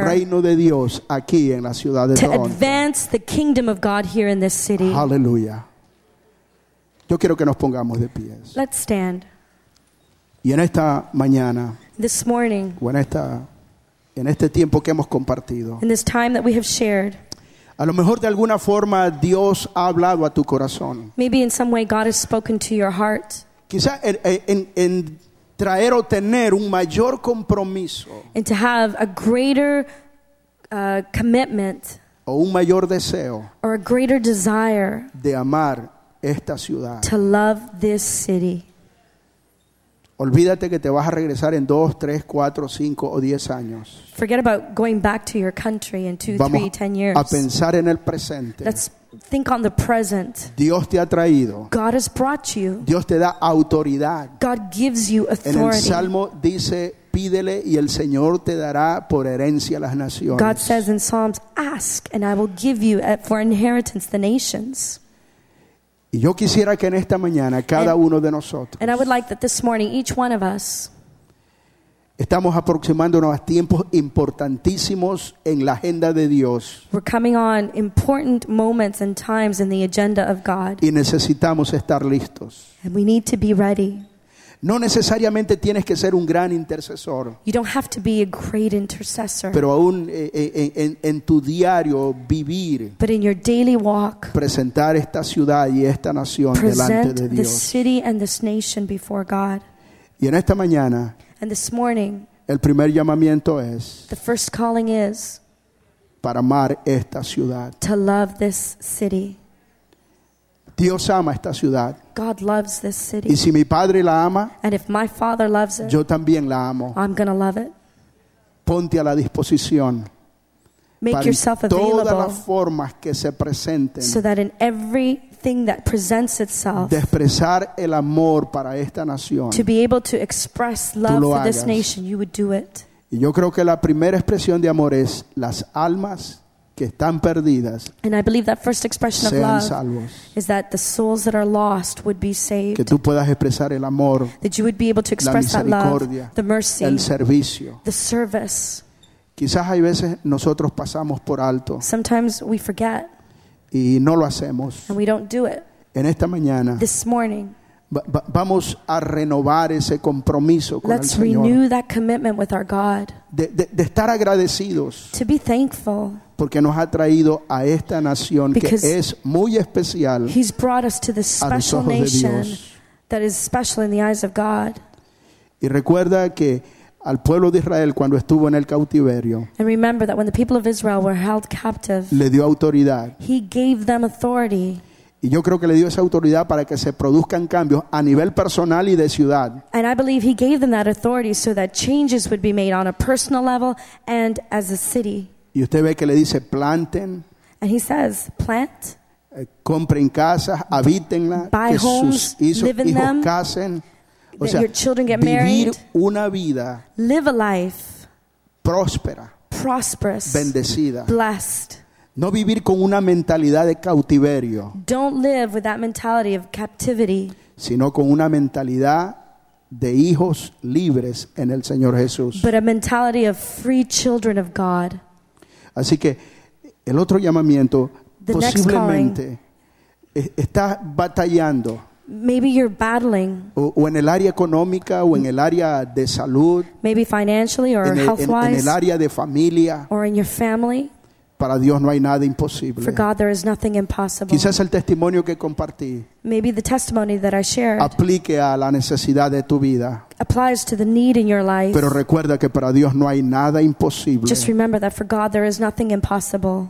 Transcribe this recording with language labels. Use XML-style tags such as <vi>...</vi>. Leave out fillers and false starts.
<es>el reino de Dios aquí en la ciudad de to Toronto.</es> <en>Advance the kingdom of God here in this city.</en> <es>Hallelujah. Yo quiero que nos pongamos de pie.</es> <en>Let's stand.</en> <es>Y en esta mañana,</es> <en>this morning,</en> <es>o en este tiempo que hemos compartido,</es> <en>in this time that we have shared,</en> <es>a lo mejor de alguna forma Dios ha hablado a tu corazón.</es> <en>Maybe in some way God has spoken to your heart.</en> <es>Quizá en traer o tener un mayor compromiso.</es> <en>And to have a greater commitment.</en> <es>O un mayor deseo.</es> <en>Or a greater desire.</en> <es>De amar esta ciudad.</es> <en>To love this city.</en> <es>Olvídate que te vas a regresar en 2, 3, 4, 5 o 10 años.</es> <en>Forget about going back to your country in 2, 3, 10 years.</en> <es>A pensar en el presente.</es> <en>Let's think on the present.</en> <es>Dios te ha traído.</es> <en>God has brought you.</en> <es>Dios te da autoridad.</es> <en>God gives you authority.</en> <es>En el Salmo dice, pídele y el Señor te dará por herencia las naciones.</es> <en>God says in Psalms, ask and I will give you for inheritance the nations.</en> <es>Y yo quisiera que en esta mañana cada uno de nosotros,</es> <en>and I would like that this morning each one of us,</en> <es>estamos aproximándonos a tiempos importantísimos en la agenda de Dios.</es> <en>We're coming on important moments and times in the agenda of God.</en> <es>Y necesitamos estar listos.</es> <en>And we need to be ready.</en> <es>No necesariamente tienes que ser un gran intercesor.</es> <en>You don't have to be a great intercessor.</en> <es>Pero aún en tu diario vivir.</es> <en>But in your daily walk.</en> <es>Presentar esta ciudad y esta nación delante de Dios.</es> <en>Present this city and this nation before God.</en> <es>Y en esta mañana.</es> <en>And this morning.</en> <es>El primer llamamiento es.</es> <en>The first calling is.</en> <es>Para amar esta ciudad.</es> <en>To love this city.</en> <es>Dios ama esta ciudad.</es> <en>God loves this city.</en> <es>Y si mi padre la ama,</es> <en>and if my father loves it,</en> <es>yo también la amo.</es> <en>I'm going to love it.</en> <es>Ponte a la disposición.</es> <en>Make yourself available.</en> <es>Todas las formas que se presenten.</es> <en>So that in everything that presents itself.</en> <es>De expresar el amor para esta nación.</es> <en>To be able to express love for this nation, you would do it.</en> <es>Y yo creo que la primera expresión de amor es las almas que están perdidas.</es> <en>And I believe that first expression of love</en> <es>salvos.</es> <en>Is that the souls that are lost would be saved.</en> <es>Que tú puedas expresar el amor,</es> <en>that you would be able to express</en> <es>la misericordia,</es> <en>that love, the mercy,</en> <es>el servicio,</es> <en>the service.</en> <es>Quizás hay veces nosotros pasamos por alto.</es> <en>Sometimes we forget.</en> <es>Y no lo hacemos.</es> <en>And we don't do it.</en> <es>En esta mañana,</es> <en>this morning,</en> <es>vamos a renovar ese compromiso con</es> <en>let's</en> <es>el Señor.</es> <en>Renew that commitment with our God.</en> <es>De estar agradecidos.</es> <en>To be thankful.</en> <es>Porque nos ha traído a esta nación</es> <en>because</en> <es>que es muy especial.</es> <en>He's brought us to this special nation that is special in the eyes of God.</en> <es>Y recuerda que al pueblo de Israel cuando estuvo en el cautiverio.</es> <en>And remember that when the people of Israel were held captive.</en> <es>Le dio autoridad.</es> <en>He gave them authority.</en> <es>Y yo creo que le dio esa autoridad para que se produzcan cambios a nivel personal y de ciudad.</es> <en>And I believe he gave them that authority so that changes would be made on a personal level and as a city.</en> <es>Y usted ve que le dice planten.</es> <en>And he says, plant.</en> <es>Compren casas, habítenla.</es> <en>Buy homes, live in them.</en> <es>Casen. O sea,</es> <en>your children get married.</en> <es>Una vida.</es> <en>Live a life.</en> <es>Próspera.</es> <en>Prosperous.</en> <es>Bendecida.</es> <en>Blessed.</en> <es>No vivir con una mentalidad de cautiverio.</es> <en>Don't live with that mentality of captivity.</en> <es>Sino con una mentalidad de hijos libres en el Señor Jesús.</es> <en>But a mentality of free children of God.</en> <es>Así que el otro llamamiento, the posiblemente estás batallando.</es> <en>Maybe you're battling.</en> <es>O en el área económica o en el área de salud.</es> <en>Maybe financially or health-wise.</en> <es>En el área de familia.</es> <en>Or in your family.</en> <es>Para Dios no hay nada imposible.</es> <en>For God there is nothing impossible.</en> <es>Quizás el testimonio que compartí.</es> <en>Maybe the testimony that I shared.</en> <es>Aplique a la necesidad de tu vida.</es> <en>Applies to the need in your life.</en> <es>Pero recuerda que para Dios no hay nada imposible.</es> <en>Just remember that for God there is nothing impossible.</en>